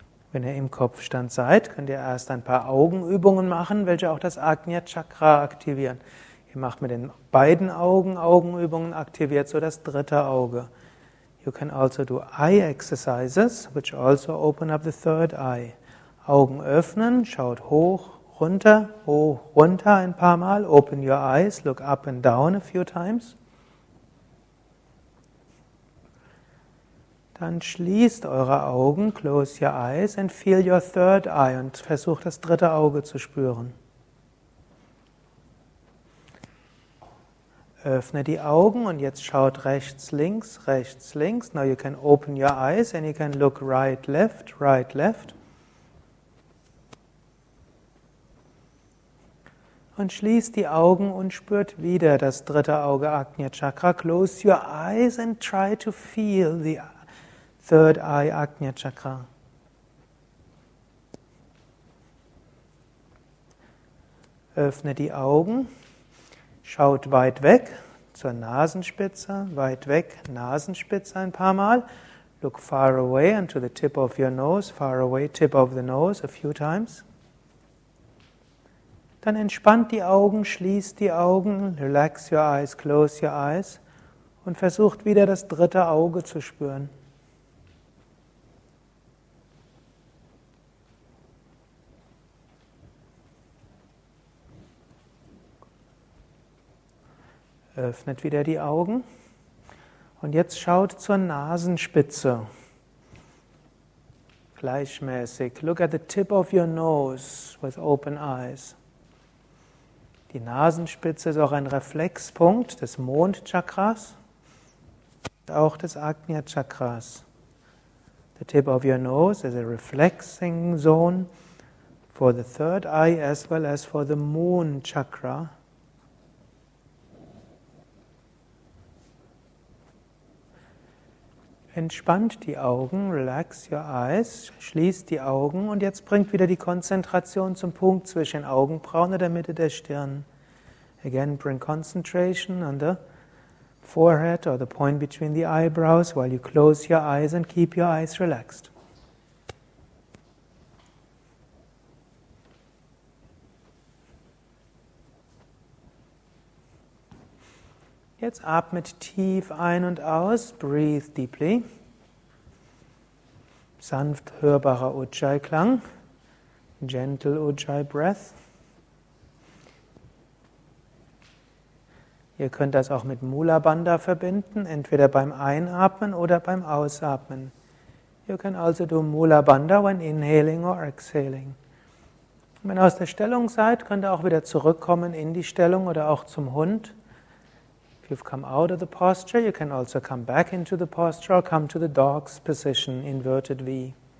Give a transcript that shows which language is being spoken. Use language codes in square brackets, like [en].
[de] Wenn ihr im Kopfstand seid, könnt ihr erst ein paar Augenübungen machen, welche auch das Ajna Chakra aktivieren. Ihr macht mit den beiden Augen Augenübungen, aktiviert so das dritte Auge. [en] You can also do eye exercises, which also open up the third eye. [de] Augen öffnen, schaut hoch, runter ein paar Mal. [en] Open your eyes, look up and down a few times. [de] Dann schließt eure Augen, [en] close your eyes and feel your third eye [de] und versucht das dritte Auge zu spüren. Öffne die Augen und jetzt schaut rechts, links. [en] Now you can open your eyes and you can look right, left. [de] Und schließt die Augen und spürt wieder das dritte Auge, Ajna Chakra. [en] Close your eyes and try to feel the third eye, Ajna Chakra. [de] Öffne die Augen, schaut weit weg zur Nasenspitze, weit weg Nasenspitze ein paar Mal. [en] Look far away and to the tip of your nose, far away tip of the nose a few times. [de] Dann entspannt die Augen, schließt die Augen, [en] relax your eyes, close your eyes [de] und versucht wieder das dritte Auge zu spüren. Öffnet wieder die Augen und jetzt schaut zur Nasenspitze. Gleichmäßig. [en] Look at the tip of your nose with open eyes. [de] Die Nasenspitze ist auch ein Reflexpunkt des Mondchakras und auch des Ajna Chakras. [en] The tip of your nose is a reflexing zone for the third eye as well as for the moon chakra. [de] Entspannt die Augen, [en] relax your eyes, [de] schließt die Augen und jetzt bringt wieder die Konzentration zum Punkt zwischen Augenbrauen in der Mitte der Stirn. [en] Again, bring concentration on the forehead or the point between the eyebrows while you close your eyes and keep your eyes relaxed. [de] Jetzt atmet tief ein und aus, [en] breathe deeply. [de] Sanft hörbarer Ujjayi-Klang, [en] gentle Ujjayi-Breath. [de] Ihr könnt das auch mit Mula Bandha verbinden, entweder beim Einatmen oder beim Ausatmen. [en] You can also do Mula Bandha when inhaling or exhaling. [de] Wenn ihr aus der Stellung seid, könnt ihr auch wieder zurückkommen in die Stellung oder auch zum Hund. [en] If you've come out of the posture, you can also come back into the posture or come to the dog's position, inverted V.